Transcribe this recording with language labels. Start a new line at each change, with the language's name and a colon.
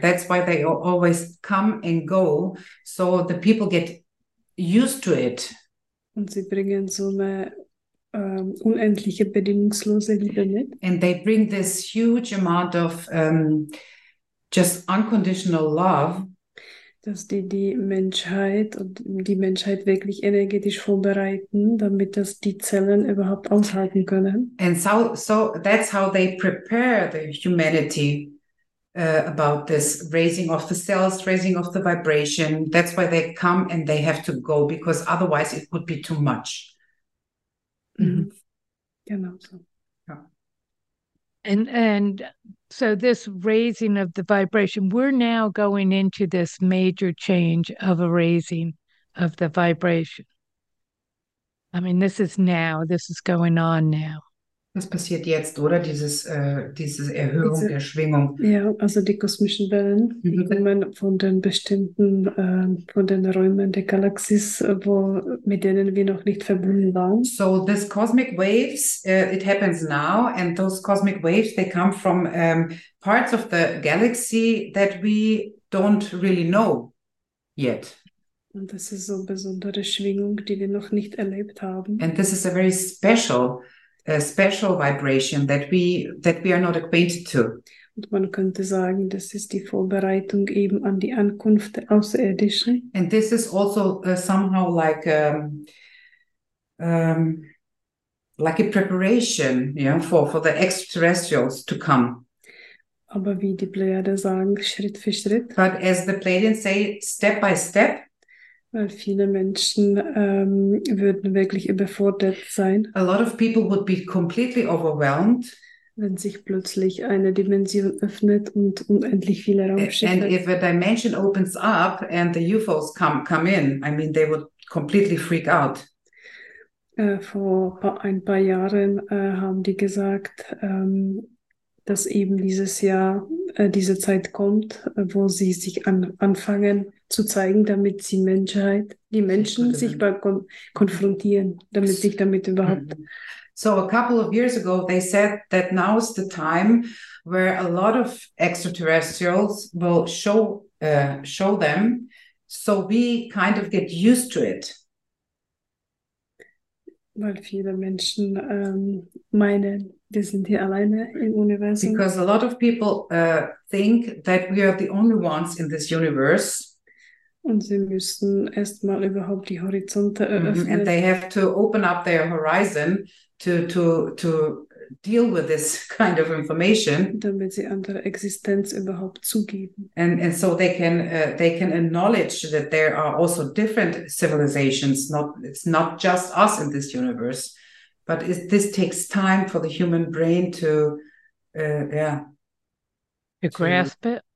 English: That's why they always come and go, so the people get used to it.
German: Und sie bringen so eine unendliche, bedingungslose Liebe mit.
English: And they bring this huge amount of just unconditional love.
German: Dass die Menschheit und die Menschheit wirklich energetisch vorbereiten, damit das die Zellen überhaupt aushalten können.
English: And so that's how they prepare the humanity about this raising of the cells, raising of the vibration. That's why they come and they have to go, because otherwise it would be too much.
German: Genau so.
English: And so this raising of the vibration, we're now going into this major change of a raising of the vibration. I mean, this is now, this is going on now.
German: Was passiert jetzt, oder? Dieses Erhöhung der Schwingung. Ja, also die kosmischen Wellen, die kommen von den bestimmten, von den Räumen der Galaxis, wo, mit denen wir noch nicht verbunden waren.
English: So, these cosmic waves, it happens now, and those cosmic waves, they come from parts of the galaxy that we don't really know yet.
German: Und das ist so eine besondere Schwingung, die wir noch nicht erlebt haben.
English: And this is a very special vibration that we are not acquainted to.
German: Und man könnte sagen, das ist die Vorbereitung eben an die Ankunft der Außerirdischen.
English: And this is also somehow like like a preparation, yeah, for the extraterrestrials to come.
German: Aber wie die Pleiaden sagen, Schritt für Schritt.
English: But as the Pleiadians say, step by step.
German: Weil viele Menschen würden wirklich überfordert sein.
English: A lot of people would be completely overwhelmed.
German: Wenn sich plötzlich eine Dimension öffnet und unendlich viele Raumschiffe.
English: And if a dimension opens up and the UFOs come in, I mean, they would completely freak out.
German: Vor ein paar Jahren haben die gesagt, dass eben dieses Jahr diese Zeit kommt, wo sie sich anfangen zu zeigen, damit sie Menschheit, die Menschen sich konfrontieren, damit sich damit überhaupt.
English: So a couple of years ago, they said that now's the time where a lot of extraterrestrials will show them, so we kind of get used to it.
German: Weil viele Menschen meinen, wir sind hier alleine im Universum.
English: Because a lot of people think that we are the only ones in this universe.
German: Und sie müssen erstmal überhaupt die Horizonte eröffnen. Mm-hmm.
English: And they have to open up their horizon to deal with this kind of information.
German: Damit sie andere Existenz überhaupt zugeben.
English: And so they can acknowledge that there are also different civilizations. It's not just us in this universe. But this takes time for the human brain to grasp